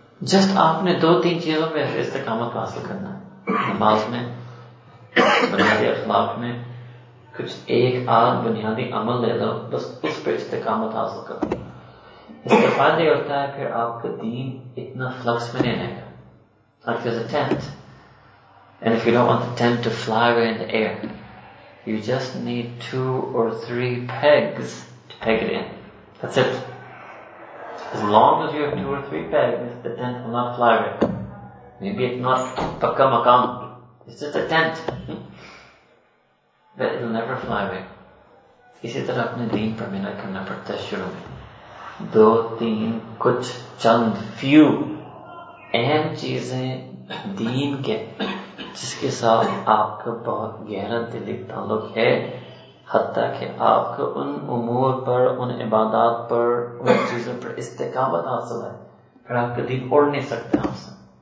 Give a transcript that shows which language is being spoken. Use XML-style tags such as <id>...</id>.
<ur>Just آپ نے دو تین چیزوں میں استقامت حاصل کرنا ہے, نماز میں, بنیادی اخلاق میں, کچھ ایک آدھ بنیادی عمل لے لو, بس اس پر استقامت حاصل کرنا. اس کا فائدہ یہ ہوتا ہے کہ آپ کا دین اتنا فلکس میں نہیں رہے گا. اور</ur> <en>there's a tent, and if you don't want the tent to fly away in the air, you just need two or three pegs to peg it in. That's it. As long as you have two or three pegs, the tent will not fly away. Maybe it's not</en> <ur>pakka makam.</ur> <en>It's just a tent. But it'll never fly away.</en> <ur>اسی طرح اپنے دین پر محنت کرنا پڑتا ہے شروع میں. دو تین کچھ چند فیو اہم چیزیں دین کے جس کے ساتھ آپ کا بہت گہرا دلی تعلق ہے, حتیٰ کہ آپ کو ان امور پر, ان عبادات پر, ان چیزوں پر استقامت حاصل ہے, پھر آپ کا دین اڑ نہیں سکتا آپ سے.</ur>